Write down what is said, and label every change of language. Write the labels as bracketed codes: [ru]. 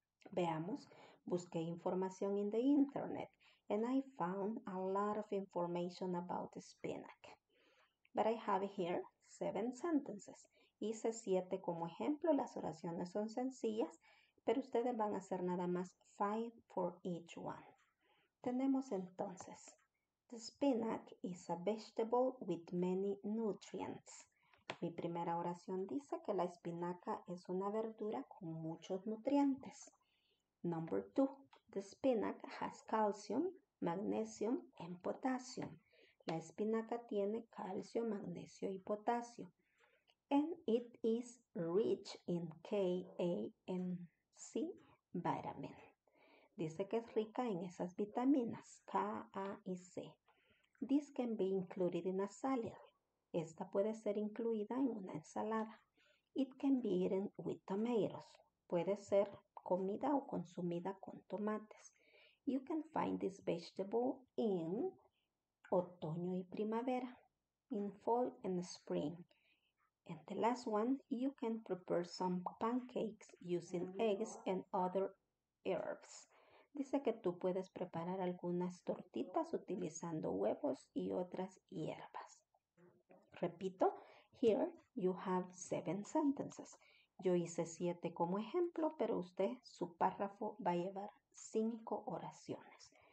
[es] Veamos, busqué información [en] in the internet and I found a lot of information about spinach. But I have here 7 sentences. [es] Hice 7 como ejemplo, las oraciones son sencillas, pero ustedes van a hacer nada más 5 [en] for each one. [es] Tenemos entonces, [en] the spinach is a vegetable with many nutrients. [es] Mi primera oración dice que la espinaca es una verdura con muchos nutrientes. [en] Number 2. The spinach has calcium, magnesium, and potassium. [es] La espinaca tiene calcio, magnesio y potasio. [en] And it is rich in K, A, and C vitamin. [es] Dice que es rica en esas vitaminas, K, A y C. [en] This can be included in a salad. [es] Esta puede ser incluida en una ensalada. [en] It can be eaten with tomatoes. [es] Puede ser comida o consumida con tomates. [en] You can find this vegetable in [es] otoño y primavera, [en] in fall and spring. In the last one, you can prepare some pancakes using eggs and other herbs. [es] Dice que tú puedes preparar algunas tortitas utilizando huevos y otras hierbas. Repito, [en] here you have 7 sentences. [es] Yo hice 7 como ejemplo, pero usted, su párrafo, va a llevar 5 oraciones.